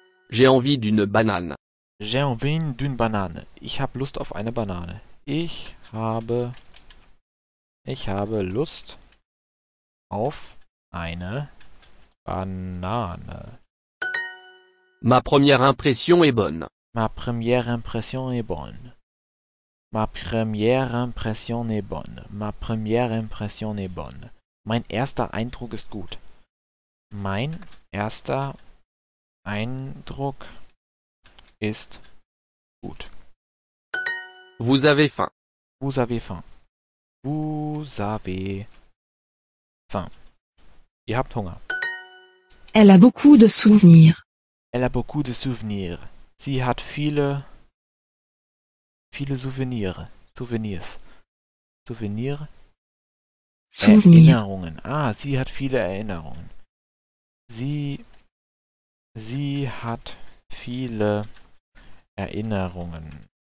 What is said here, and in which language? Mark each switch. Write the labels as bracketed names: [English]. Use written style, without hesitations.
[French] J'ai envie d'une banane. J'ai envie d'une banane. [German] Ich habe Lust auf eine Banane. Ich habe Lust auf eine Banane. [French] Ma première impression est bonne. Ma première impression est bonne. Ma première impression est bonne. Ma première impression est bonne. [German] Mein erster Eindruck ist gut. Mein erster Eindruck ist gut. [French] Vous avez faim. Vous avez faim. Vous avez faim. [German] Ihr habt Hunger. [French] Elle a beaucoup de souvenirs. Elle a beaucoup de souvenirs. [German] Sie hat viele, viele Souvenirs. [French] Souvenirs. Souvenir. Souvenir. [German] Erinnerungen. Ah, sie hat viele Erinnerungen. Sie hat viele Erinnerungen.